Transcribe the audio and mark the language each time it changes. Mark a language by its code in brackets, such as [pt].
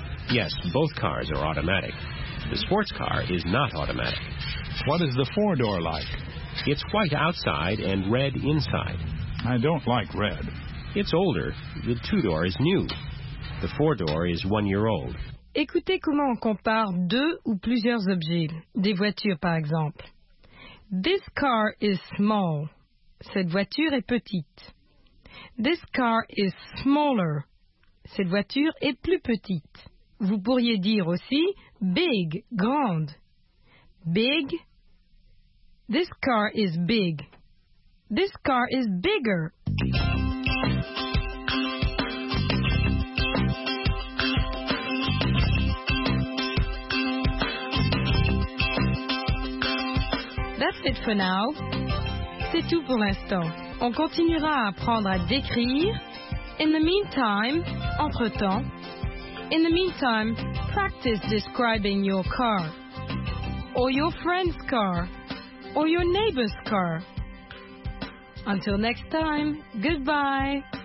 [en] Yes, both cars are automatic. The sports car is not automatic. What is the four-door like? It's white outside and red inside. I don't like red. It's older. The two-door is new. The four-door is 1 year old. [fr] Écoutez comment on compare deux ou plusieurs objets, des voitures par exemple. [en] This car is small. Cette voiture est petite. This car is smaller. Cette voiture est plus petite. [fr] Vous pourriez dire aussi big, grande. [en] Big. This car is big. This car is bigger. That's it for now. [fr] C'est tout pour l'instant. On continuera à apprendre à décrire. [en] In the meantime, entre-temps. In the meantime, practice describing your car. Or your friend's car. Or your neighbor's car. Until next time, goodbye.